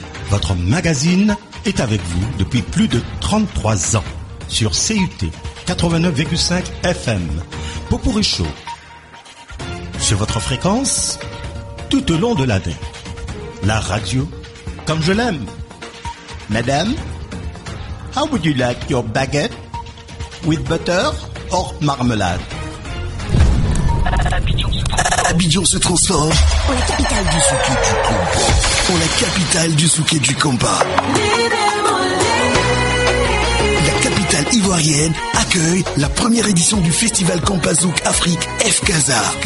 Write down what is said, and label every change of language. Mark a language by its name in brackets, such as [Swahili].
[French] Votre magazine est avec vous depuis plus de 33 ans. Sur CUT 89,5 FM, Popourri Show, sur votre fréquence, tout au long de l'année, la radio, comme je l'aime. [English] Madame, how would you like your baguette, with butter or marmelade? [French] Abidjan se transforme en la capitale du souk et du compas. En la capitale du souk et du compas. capitale ivoirienne, accueille la première édition du Festival Kampazouk Afrique FKAZA.